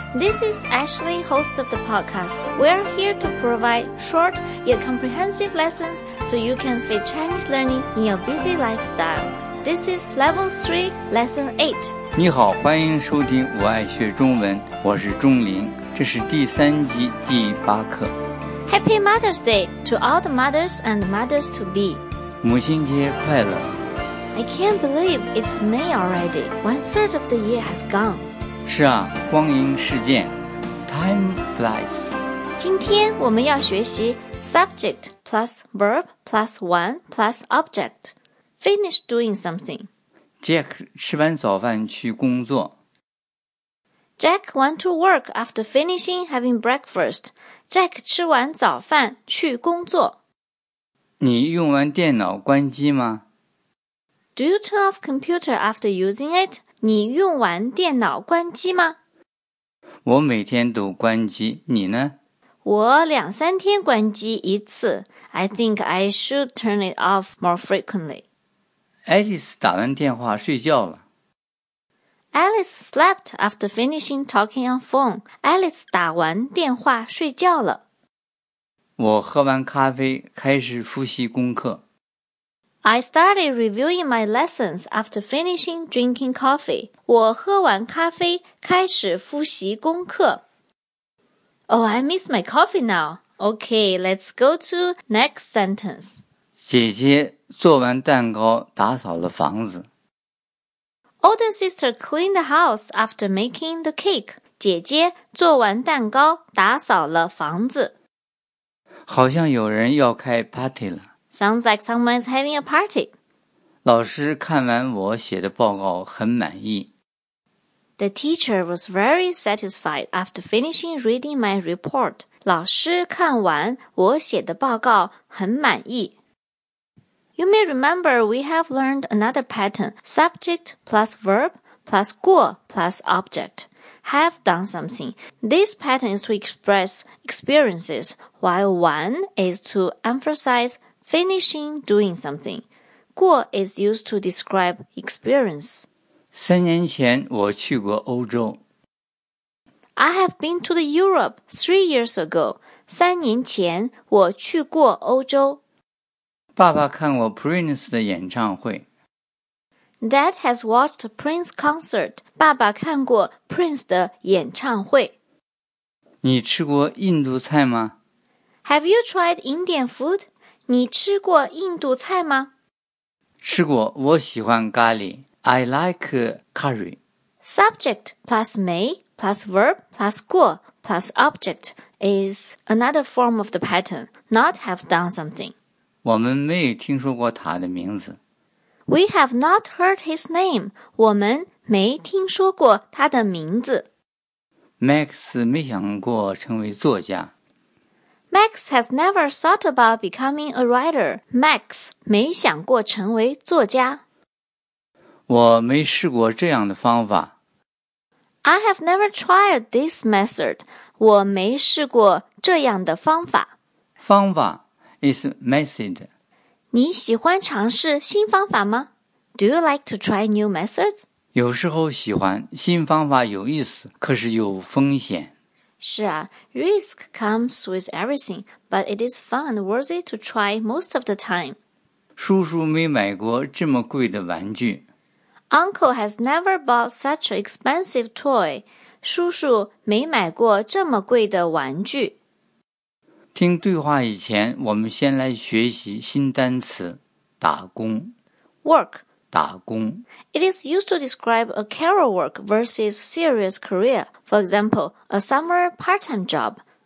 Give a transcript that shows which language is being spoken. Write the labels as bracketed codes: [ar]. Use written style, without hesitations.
[en] This is Ashley, host of the podcast. We are here to provide short yet comprehensive lessons so you can fit Chinese learning in your busy lifestyle. This is Level 3, Lesson 8. [zh] 你好，欢迎收听我爱学中文，我是钟琳，这是第三集第八课。 [en] Happy Mother's Day to all the mothers and mothers-to-be. [zh] 母亲节快乐。 [en] I can't believe it's May already. One third of the year has gone. [zh] 是啊，光阴似箭。 [en] Time flies. [zh] 今天我们要学习 [en] subject plus verb plus one plus object. Finish doing something. [zh] Jack 吃完早饭去工作。 [en] Jack went to work after finishing having breakfast. [zh] Jack 吃完早饭去工作。你用完电脑关机吗？ [en] Do you turn off computer after using it? [zh] 你用完电脑关机吗？我每天都关机，你呢？我两三天关机一次。 [en] I think I should turn it off more frequently. [zh] Alice 打完电话睡觉了。 [en] Alice slept after finishing talking on phone. [zh] Alice 打完电话睡觉了。我喝完咖啡开始复习功课。 [en] I started reviewing my lessons after finishing drinking coffee. [zh] 我喝完咖啡开始复习功课。 [en] Oh, I miss my coffee now. Okay, let's go to next sentence. [zh] 姐姐做完蛋糕打扫了房子。 [en] Older sister cleaned the house after making the cake. [zh] 姐姐做完蛋糕打扫了房子。好像有人要开 party 了。 [en] Sounds like someone's having a party. [zh] 老师看完我写的报告很满意。 [en] The teacher was very satisfied after finishing reading my report. [zh] 老师看完我写的报告很满意。 [en] You may remember we have learned another pattern, subject plus verb plus 过 plus object. Have done something. This pattern is to express experiences, while 完 is to emphasize finishing doing something. 过 is used to describe experience. [zh] 三年前我去过欧洲。 [en] I have been to the Europe 3 years ago. [zh] 三年前我去过欧洲。爸爸看过 Prince 的演唱会。 [en] Dad has watched Prince concert. [zh] 爸爸看过 Prince 的演唱会。你吃过印度菜吗？ [en] Have you tried Indian food? [zh] 你吃过印度菜吗？吃过，我喜欢咖喱。 [en] I like curry. Subject plus 没 plus verb plus 过 plus object is another form of the pattern, not have done something. [zh] 我们没听说过他的名字。 [en] We have not heard his name. [zh] 我们没听说过他的名字。 Max 没想过成为作家。 [en] Max has never thought about becoming a writer. [zh] Max 没想过成为作家。我没试过这样的方法。 [en] I have never tried this method. [zh] 我没试过这样的方法。 [en] 方法 is method. [zh] 你喜欢尝试新方法吗？ [en] Do you like to try new methods? [zh] 有时候喜欢，新方法有意思，可是有风险。是啊， [en] risk comes with everything, but it is fun and worthy to try most of the time. [zh] 叔叔没买过这么贵的玩具。 [en] Uncle has never bought such an expensive toy. [zh] 叔叔没买过这么贵的玩具。听对话以前，我们先来学习新单词，打工。 [en] Work. [zh] 打工。 [en] It is used to describe a casual work versus serious career. For example, a summer part-time job.